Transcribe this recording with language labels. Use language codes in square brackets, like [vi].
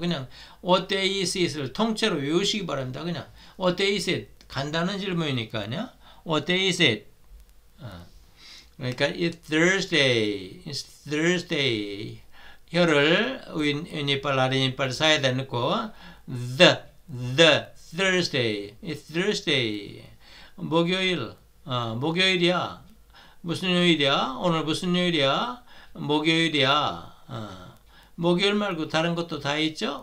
[ko] 그냥 [en] What day is it? [ko] 을 통째로 외우시기 바랍니다. 그냥 [en] What day is it? [ko] 간단한 질문이니까요. [en] What day is it? [ko] 그러니까 [en] It's Thursday. It's Thursday. [ko] 혀를 윗니빨, 아랫니빨 사이에다 넣고 [en] The Thursday. It's Thursday. [ko] 목요일. 목요일이야. 무슨 요일이야? 오늘 무슨 요일이야? 목요일이야. 목요일 말고 다른 것도 다 있죠?